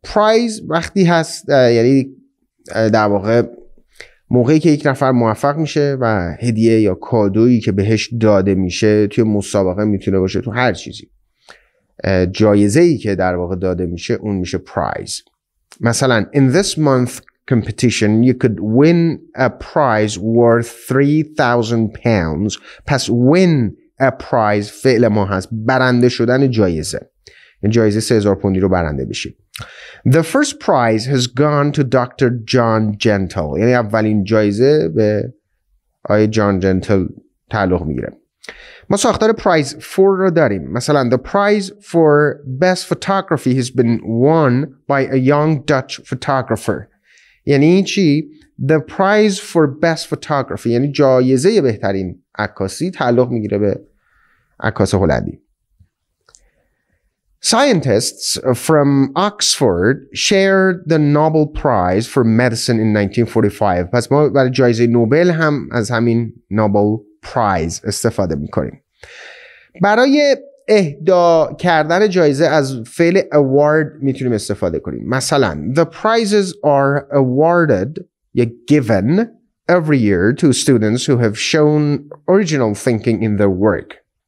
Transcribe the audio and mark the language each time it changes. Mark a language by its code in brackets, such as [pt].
[fa] پرایز وقتی هست یعنی در واقع موقعی که یک نفر موفق میشه و هدیه یا کادویی که بهش داده میشه، توی مسابقه میتونه باشه، تو هر چیزی، جایزه‌ای که در واقع داده میشه اون میشه پرایز. مثلا [en] in this month competition you could win a prize worth 3,000 pounds. [fa] پس [en] win a prize [fa] فعل ما هست، برنده شدن جایزه، این جایزه 3000 پوندی رو برنده بشی. [en] The first prize has gone to Dr. [fa] John Gentle، یعنی اولین جایزه به آقای جان جنتل تعلق میگیره. ما ساختار پرایز فور رو داریم. [en] مثلا the prize for best photography has been won by a young Dutch photographer، [fa] یعنی چی؟ [en] the prize for best photography [fa] یعنی جایزه بهترین عکاسی تعلق میگیره به عکاس هلندی. [en] scientists from Oxford shared the Nobel prize for medicine in 1945. [fa] پس ما برای جایزه نوبل هم از همین نوبل پرایز استفاده میکنیم. برای اهدا کردن جایزه از فعل award میتونیم استفاده کنیم. مثلا [en] the prizes are awarded یا given every year to students who have shown original thinking in their work.